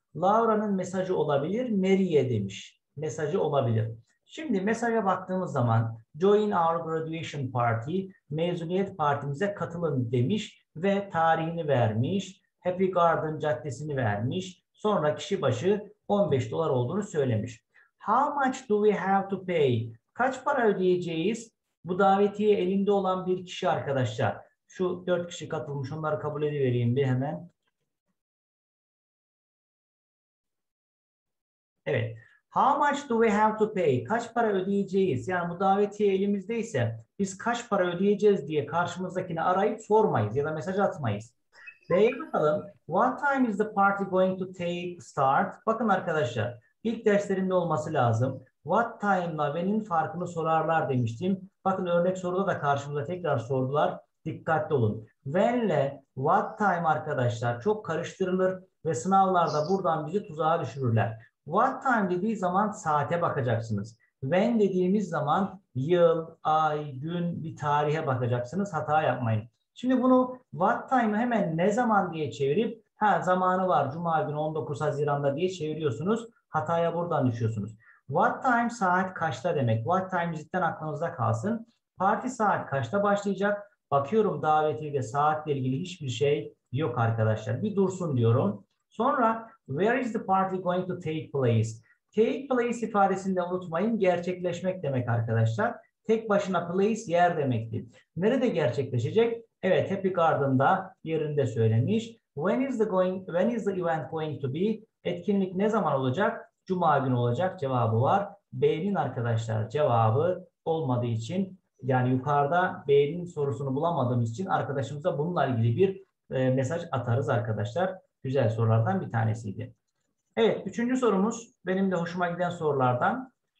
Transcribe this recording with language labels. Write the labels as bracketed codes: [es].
[tr] Laura'nın mesajı olabilir, Mary'ye demiş. Mesajı olabilir. Şimdi mesaja baktığımız zaman [en] Join our graduation party, [tr] mezuniyet partimize katılın demiş ve tarihini vermiş, Happy Garden caddesini vermiş, sonra kişi başı $15 olduğunu söylemiş. [en] How much do we have to pay? [tr] Kaç para ödeyeceğiz? Bu davetiye elinde olan bir kişi arkadaşlar. Şu 4 kişi katılmış, onları kabul edivereyim bir hemen. Evet. [en] How much do we have to pay? [tr] Kaç para ödeyeceğiz? Yani bu davetiye elimizdeyse biz kaç para ödeyeceğiz diye karşımızdakini arayıp sormayız ya da mesaj atmayız. Beye bakalım. [en] What time is the party going to take start? [tr] Bakın arkadaşlar, ilk derslerinde olması lazım. What time'la when'in farkını sorarlar demiştim. Bakın örnek soruda da karşımıza tekrar sordular. Dikkatli olun. When'le what time arkadaşlar çok karıştırılır ve sınavlarda buradan bizi tuzağa düşürürler. What time dediği zaman saate bakacaksınız. When dediğimiz zaman yıl, ay, gün, bir tarihe bakacaksınız. Hata yapmayın. Şimdi bunu what time'ı hemen ne zaman diye çevirip ha zamanı var cuma günü 19 Haziran'da diye çeviriyorsunuz. Hataya buradan düşüyorsunuz. What time saat kaçta demek? What time cidden aklınızda kalsın. Parti saat kaçta başlayacak? Bakıyorum davetiyede saatle ilgili hiçbir şey yok arkadaşlar. Bir dursun diyorum. Sonra [en] where is the party going to take place? [tr] Take place ifadesini de unutmayın. Gerçekleşmek demek arkadaşlar. Tek başına place yer demektir. Nerede gerçekleşecek? Evet, Happy Garden'da yerinde söylenmiş. [en] When is the event going to be? [tr] Etkinlik ne zaman olacak? Cuma günü olacak cevabı var. B'nin arkadaşlar cevabı olmadığı için, yani yukarıda B'nin sorusunu bulamadığımız için arkadaşımıza bununla ilgili bir mesaj atarız arkadaşlar. Güzel sorulardan bir tanesiydi. Evet, üçüncü sorumuz benim de hoşuma giden sorulardan.